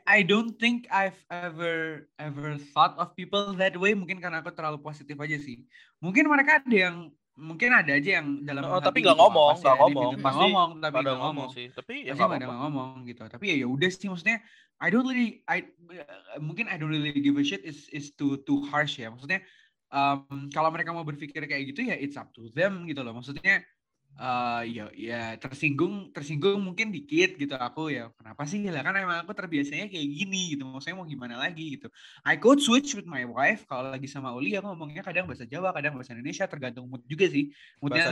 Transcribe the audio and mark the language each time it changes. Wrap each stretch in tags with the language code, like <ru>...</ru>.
<en>I don't think I've ever thought of people that way.</en> <id>Mungkin karena aku terlalu positif aja sih, mungkin mereka ada yang mungkin ada aja yang dalam tapi nggak ngomong, nggak ngomong, pasti ngomong tapi nggak ngomong sih, tapi ya pasti nggak ngomong gitu. Tapi ya udah sih, maksudnya</id> <en>I don't really,</en> <id>mungkin</id> <en>I don't really give a shit is too harsh</en> <id>ya. Maksudnya kalau mereka mau berpikir kayak gitu ya</id> <en>it's up to them</en> <id>gitu loh. Maksudnya ya tersinggung mungkin dikit gitu aku ya. Kenapa sih lah, kan emang aku terbiasanya kayak gini gitu. Maksudnya mau gimana lagi gitu.</id> <en>I could switch with my wife</en> <id>kalau lagi sama Uli, aku ngomongnya kadang bahasa Jawa, kadang bahasa Indonesia, tergantung mood juga sih. Moodnya</id>